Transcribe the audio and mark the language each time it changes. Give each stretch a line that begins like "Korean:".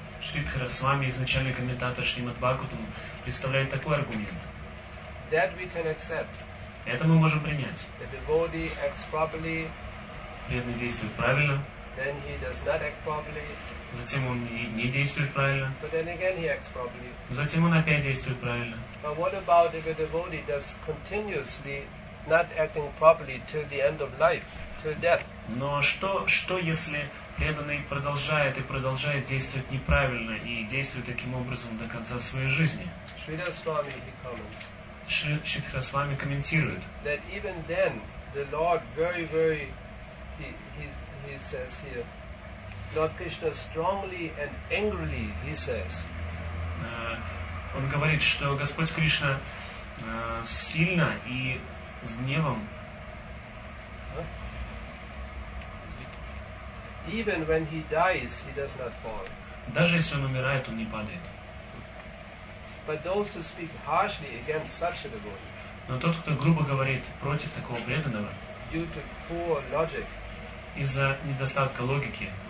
Russian: Шридхара Свами, изначальный комментатор Шримад Бхагаватам, представляет такой аргумент.
English: That we can accept.
Russian: Это мы можем принять.
English: The devotee acts properly.
Russian: Преданный действует правильно.
English: Then he does not act properly.
Russian: Затем он не действует правильно.
English: But then again he acts properly.
Russian: Затем он опять действует правильно.
English: But what about if a devotee does continuously not acting properly till the end of life, till death?
Russian: Но что если преданный продолжает и продолжает действовать неправильно и действует таким образом до конца своей жизни? Шридхара Свами комментирует.
English: That even then the Lord he says here. Lord Krishna strongly and angrily, he says.
Russian: Он говорит, что Господь Кришна сильно и с гневом.
English: Even when he dies, he does not fall.
Russian: Даже если он умирает, он не падает.
English: But those who speak harshly against such a devotee.
Russian: Но тот, кто грубо говорит против такого преданного.
English: Due to poor logic.
Russian: Из-за недостатка логики,